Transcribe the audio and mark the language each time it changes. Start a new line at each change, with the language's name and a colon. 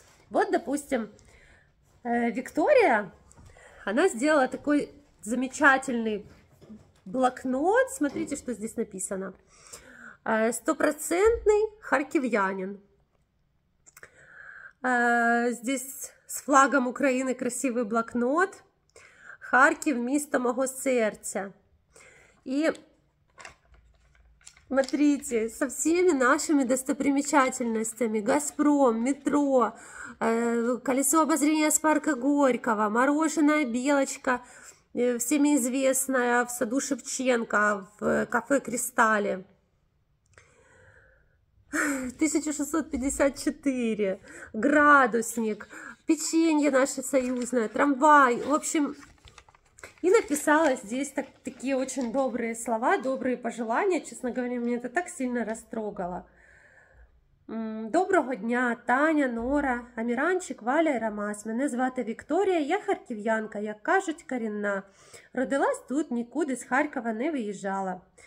Russian: Вот, допустим, Виктория, она сделала такой замечательный блокнот. Смотрите, что здесь написано. 100% харьковьянин. Здесь с флагом Украины красивый блокнот.
Ukrainian: Харків, місто мого серця.
Russian: І смотрите, со всеми нашими достопримечательностями: Газпром, метро, колесо обозрения с парка Горького, мороженое Белочка, всеми известная в саду Шевченко, в кафе Кристалле. 1654 градусник, печенье наше союзное, трамвай. В общем, и написала здесь такие очень добрые слова, добрые пожелания. Честно говоря, меня это так сильно растрогало. Доброго дня, Таня, Нора, Амиранчик, Валя и Ромас.
Ukrainian: Мене звати Вікторія, я харків'янка, як кажуть, корінна. Родилась тут, нікуди з Харкова не виїжджала.